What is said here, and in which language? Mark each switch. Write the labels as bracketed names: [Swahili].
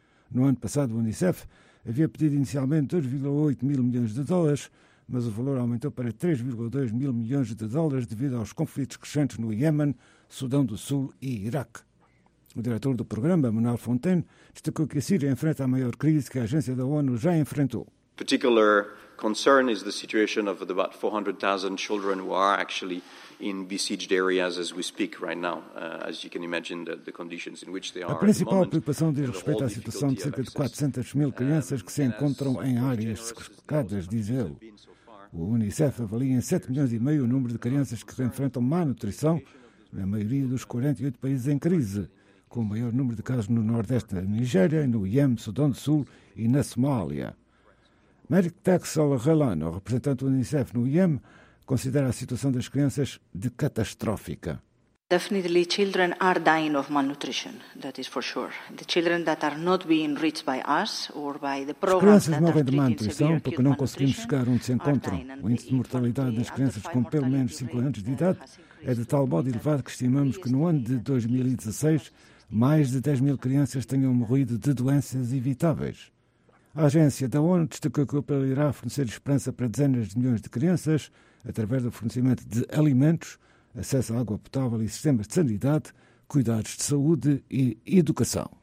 [Portuguese] No ano passado, o Unicef havia pedido inicialmente 2,8 mil milhões de dólares, mas o valor aumentou para 3,2 mil milhões de dólares devido aos conflitos crescentes no Iêmen, Sudão do Sul e Iraque. O diretor do programa, Manuel Fontaine, destacou que a Síria enfrenta a maior crise que a agência da ONU já enfrentou. [English] Particular concern is the situation of the about 400,000 children who are actually in besieged areas as we speak right now. As you can imagine, the conditions in which they are. [Portuguese] A principal preocupação diz respeito à situação de cerca de 400 mil crianças que se encontram em áreas secadas, diz ele. O Unicef avalia em 7 milhões e meio o número de crianças que enfrentam má nutrição na maioria dos 48 países em crise, com o maior número de casos no nordeste da Nigéria, no Iêmen, Sudão do Sul e na Somália. Merrick Texel Relano, representante do Unicef no Iêmen, considera a situação das crianças de catastrófica. [English] Definitely children are dying of malnutrition, that is for sure. The children that are not being reached by us or by the program. [Portuguese] As crianças morrem de malnutrição porque não conseguimos chegar onde se encontram. O índice de mortalidade das crianças com pelo menos 5 anos de idade é de tal modo elevado que estimamos que no ano de 2016 mais de 10 mil crianças tenham morrido de doenças evitáveis. A agência da ONU destacou que o apelo irá fornecer esperança para dezenas de milhões de crianças através do fornecimento de alimentos, acesso à água potável e sistemas de sanidade, cuidados de saúde e educação.